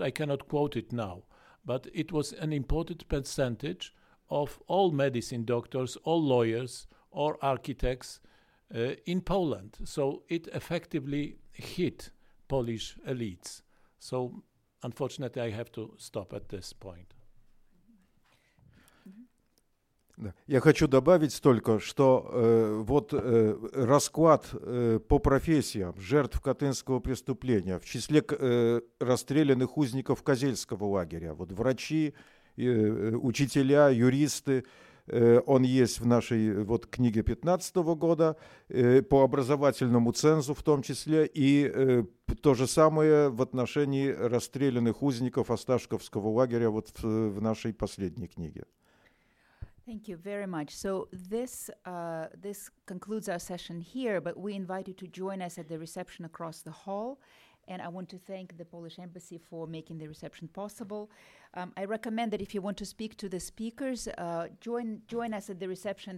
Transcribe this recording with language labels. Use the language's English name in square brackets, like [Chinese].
[English] I cannot quote it now, but it was an important percentage of all medicine doctors, all lawyers, or architects in Poland. So it effectively hit Polish elites. So unfortunately, I have to stop at this point. [Russian] Да. Я хочу добавить только, что расклад по профессиям жертв катынского преступления в числе расстрелянных узников Козельского лагеря, вот врачи, учителя, юристы, он есть в нашей вот книге 15-го года, по образовательному цензу в том числе, и то же самое в отношении расстрелянных узников Осташковского лагеря вот в нашей последней книге. [English] Thank you very much. So this this concludes our session here, but we invite you to join us at the reception across the hall. And I want to thank the Polish Embassy for making the reception possible. I recommend that if you want to speak to the speakers, join us at the reception.